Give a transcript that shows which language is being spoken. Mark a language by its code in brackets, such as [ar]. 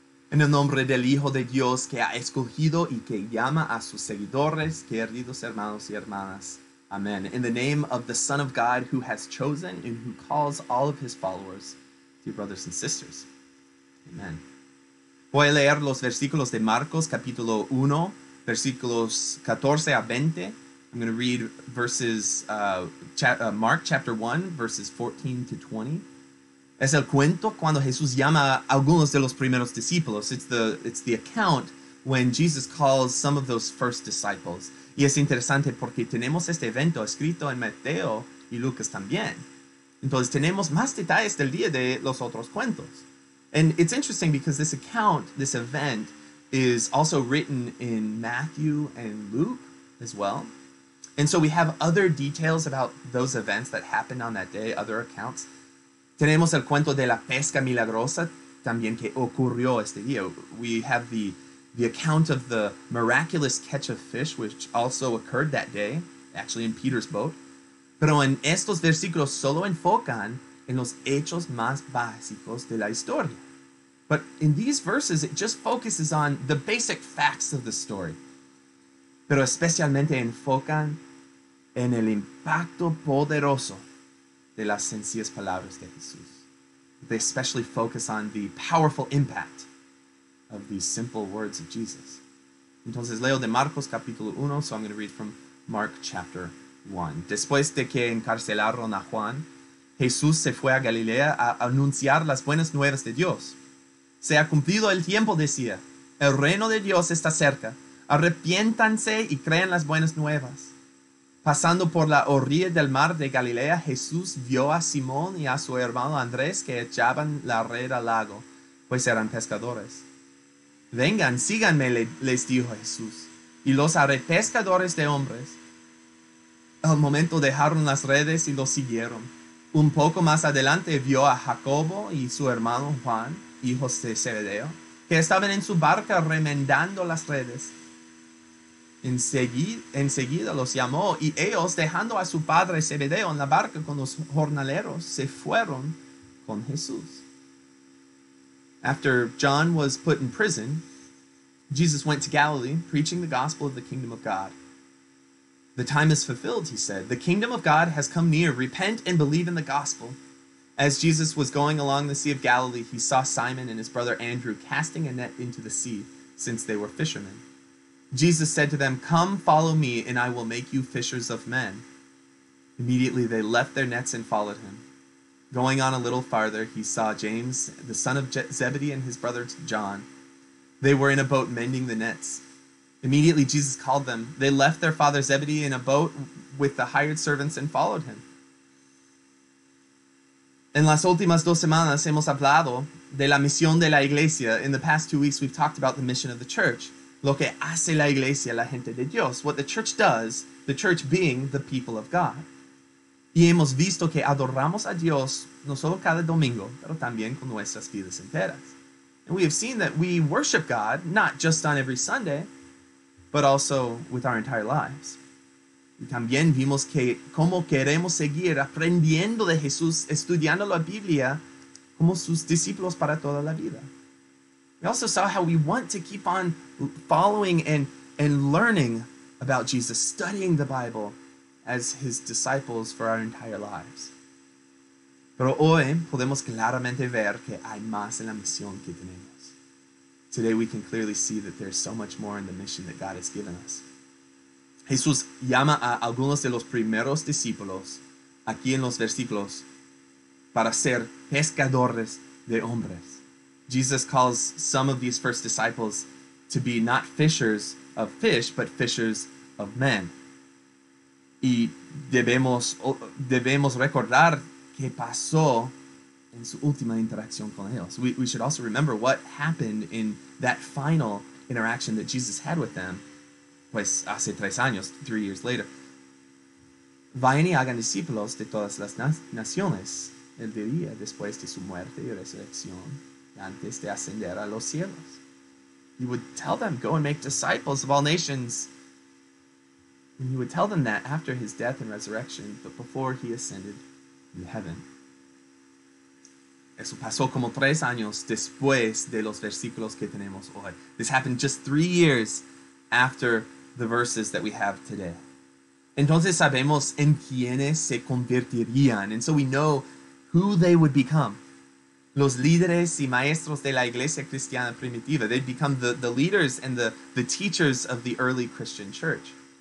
[es] En el nombre del Hijo de Dios que ha escogido y que llama a sus seguidores, queridos hermanos y hermanas. Amen. [en] In the name of the Son of God who has chosen and who calls all of his followers, dear brothers and sisters. Amen. [es] Voy a leer los versículos de Marcos, capítulo 1, versículos 14 a 20. [en] I'm going to read verses, Mark chapter 1, verses 14 to 20. [es] Es el cuento cuando Jesús llama a algunos de los primeros discípulos. [en] It's the account when Jesus calls some of those first disciples. [es] Y es interesante porque tenemos este evento escrito en Mateo y Lucas también. Entonces tenemos más detalles del día de los otros cuentos. [en] And it's interesting because this account, this event, is also written in Matthew and Luke as well. And so we have other details about those events that happened on that day, other accounts. [es] Tenemos el cuento de la pesca milagrosa también que ocurrió este día. [en] We have the account of the miraculous catch of fish, which also occurred that day, actually in Peter's boat. [es] Pero en estos versículos solo enfocan en los hechos más básicos de la historia. [en] But in these verses, it just focuses on the basic facts of the story. [es] Pero especialmente enfocan en el impacto poderoso de las sencillas palabras de Jesús. [en] They especially focus on the powerful impact of these simple words of Jesus. [es] Entonces leo de Marcos capítulo 1, [en] so I'm going to read from Mark chapter 1. [es] Después de que encarcelaron a Juan, Jesús se fue a Galilea a anunciar las buenas nuevas de Dios. Se ha cumplido el tiempo, decía. El reino de Dios está cerca. Arrepiéntanse y crean las buenas nuevas. Pasando por la orilla del mar de Galilea, Jesús vio a Simón y a su hermano Andrés que echaban la red al lago, pues eran pescadores. Vengan, síganme, les dijo Jesús, y los haré pescadores de hombres. Al momento dejaron las redes y los siguieron. Un poco más adelante vio a Jacobo y su hermano Juan, hijos de Zebedeo, que estaban en su barca remendando las redes. Enseguida los llamó y ellos, dejando a su padre Zebedeo en la barca con los jornaleros, se fueron con Jesús. [en] After John was put in prison, Jesus went to Galilee, preaching the gospel of the kingdom of God. The time is fulfilled, he said. The kingdom of God has come near. Repent and believe in the gospel. As Jesus was going along the Sea of Galilee, he saw Simon and his brother Andrew casting a net into the sea, since they were fishermen. Jesus said to them, come, follow me, and I will make you fishers of men. Immediately they left their nets and followed him. Going on a little farther, he saw James, the son of Zebedee, and his brother John. They were in a boat mending the nets. Immediately Jesus called them. They left their father Zebedee in a boat with the hired servants and followed him. [es] En las últimas dos semanas hemos hablado de la misión de la iglesia. [en] In the past 2 weeks, we've talked about the mission of the church. [es] Lo que hace la iglesia, la gente de Dios. [en] What the church does, the church being the people of God. [es] Y hemos visto que adoramos a Dios, no solo cada domingo, pero también con nuestras vidas enteras. [en] And we have seen that we worship God, not just on every Sunday, but also with our entire lives. [es] Y también vimos que cómo queremos seguir aprendiendo de Jesús, estudiando la Biblia, como sus discípulos para toda la vida. [en] We also saw how we want to keep on following and learning about Jesus, studying the Bible as his disciples for our entire lives. [es] Pero hoy podemos claramente ver que hay más en la misión que tenemos. [en] Today we can clearly see that there's so much more in the mission that God has given us. [es] Jesús llama a algunos de los primeros discípulos aquí en los versículos para ser pescadores de hombres. [en] Jesus calls some of these first disciples to be not fishers of fish, but fishers of men. [es] Y debemos recordar qué pasó en su última interacción con ellos. [en] We should also remember what happened in that final interaction that Jesus had with them, [es] pues hace 3 años, [en] 3 years later. [es] Vayan y hagan discípulos de todas las naciones el día después de su muerte y resurrección. Antes de ascender a los cielos. [en] He would tell them, go and make disciples of all nations. And he would tell them that after his death and resurrection, but before he ascended in heaven. [es] Eso pasó como 3 años después de los versículos que tenemos hoy. [en] This happened just 3 years after the verses that we have today. [es] Entonces sabemos en quiénes se convertirían. [en] And so we know who they would become. [es] Los líderes y maestros de la iglesia cristiana primitiva. [en] They'd become the leaders and the teachers of the early Christian church.